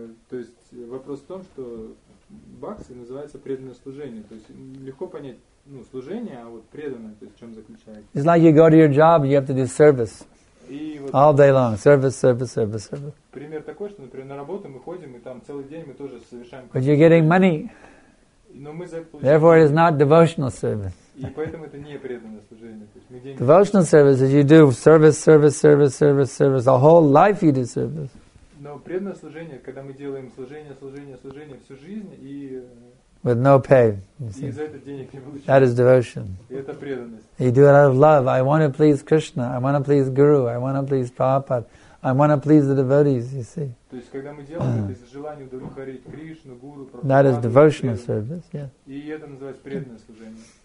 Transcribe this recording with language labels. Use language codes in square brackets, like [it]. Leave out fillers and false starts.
[ru] То есть вопрос в том, что бхакти называется преданное служение. То есть легко понять, ну, служение, а вот преданное, то есть в чем заключается. [en] It's like you go to your job, you have to do service. All day long. Service, service, service, service. [ru] Пример такой, что, например, на работу мы ходим, и там целый день мы тоже совершаем... [en] But you're getting money. [ru] Но мы за это получаем. [en] Therefore it is not devotional service. [ru] И поэтому это не преданное служение. То есть мы деньги... [en] Devotional service is you do service, service, service, service, service. A whole life you do service. [ru] Но преданное служение, когда мы делаем служение, служение, служение всю жизнь и... [en] With no pay. [ru] И за это денег не получаем. [en] That is devotion. [ru] И это преданность. [en] You do it out of love. I want to please Krishna. I want to please Guru. I want to please Prabhupada. I want to please the devotees, you see. [ru] То есть, когда мы делаем это из-за желания удовлетворить Кришну, Гуру, Прабхупаду. [en] That is devotional service, yes. [ru] И это называется преданное служение.